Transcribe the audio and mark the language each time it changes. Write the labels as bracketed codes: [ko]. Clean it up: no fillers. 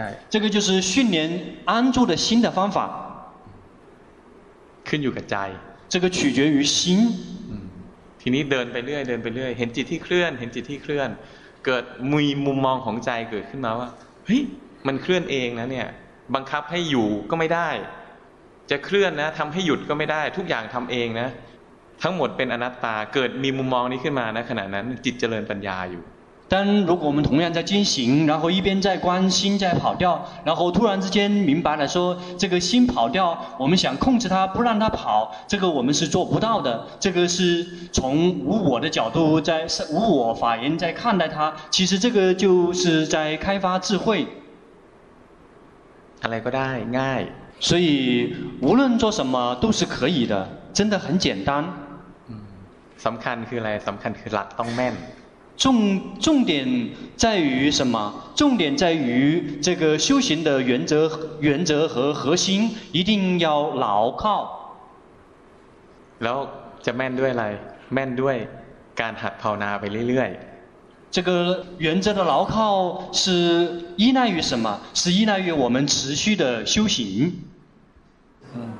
[zh] 这个就是训练安住的心的方法 [th] ขึ้นอยู่กับใจ [zh] 这个取决于心 [th] ทีนี้เดินไปเรื่อยเดินไปเรื่อยเห็นจิตที่เคลื่อนเห็นจิตที่เคลื่อนเกิดมีมุมมองของใจเกิดขึ้นมาว่าเฮ้มันเคลื่อนเองนะเนี่ยบังคับให้อยู่ก็ไม่ได้จะเคลื่อนนะทำให้หยุดก็ไม่ได้ทุกอย่างทำเองนะทั้งหมดเป็นอนัตตาเกิดมีมุมมองนี้ขึ้นมานะขณะนั้นจิตเจริญปัญญาอยู่ [zh] 但如果我们同样在进行然后一边在观心在跑掉然后突然之间明白了说这个心跑掉我们想控制它不让它跑这个我们是做不到的这个是从无我的角度在无我法缘在看待它其实这个就是在开发智慧 [th] อะไรก็ได้ง่าย [zh] 所以无论做什么都是可以的真的很简单 [th] สำคัญคืออะไรสำคัญคือหลักต้องแม่น [zh] 重点在于什么重点在于这个修行的原则和核心一定要牢靠 [th] แล้วจะแม่นด้วยอะไรแม่นด้วยการหัดภาวนาไปเรื่อยๆ [zh] 这个原则的牢靠是依赖于什么？是依赖于我们持续的修行。嗯。